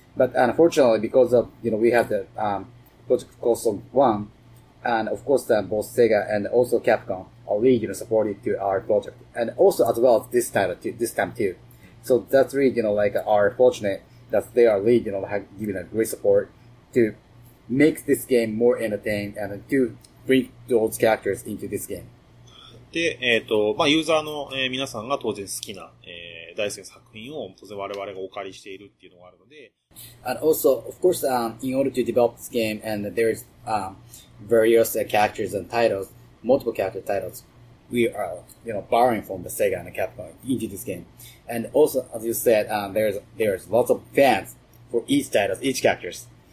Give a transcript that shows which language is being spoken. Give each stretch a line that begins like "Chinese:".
English: But unfortunately, because of, you know, we have the Project of Zone 1, and of course both Sega and also Capcom are really, you know, supportive to our project. And also as well as this title, this time too. So that's really, you know, like, are fortunate that they are really, you know, have given a great support to make this game more entertaining and to bring those characters into this game.
Japanese: で、まあ、ユーザーの、皆さんが当然好きな、大好きな作品を当然我々がお借りしているっていうのがあるので。
English: And also, of course, in order to develop this game, and there's, various characters and titles, multiple character titles, we are, you know, borrowing from the Sega and the Capcom into this game. And also, as you said, there's lots of fans for each title, each characters.